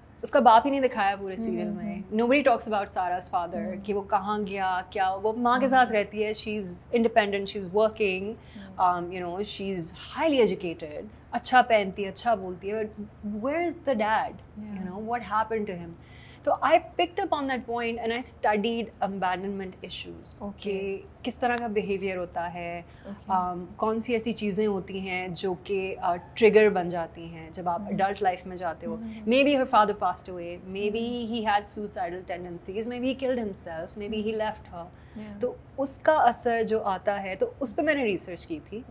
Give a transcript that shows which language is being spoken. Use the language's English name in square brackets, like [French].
[Hindi] उसका बाप ही नहीं दिखाया पूरे सीरियल में. [English] nobody talks about Sara's father, [Hindi] कि वो कहाँ गया, क्या वो माँ के साथ रहती है, [English] she is independent, she is working, you know, she is highly educated, [Hindi] अच्छा पहनती है, अच्छा बोलती है, [English] But where is the dad, you know, what happened to him. So I picked up on that point and I studied abandonment issues. Okay. [Hindi] किस तरह का behaviour होता है, कौन सी ऐसी चीज़ें होती हैं जो कि ट्रिगर बन जाती हैं जब आप अडल्ट लाइफ में जाते हो. [English] Maybe her father passed away, maybe he had suicidal tendencies, maybe he killed himself, maybe he left her. [Hindi] तो उसका असर जो आता है, तो उस पर मैंने रिसर्च की थी.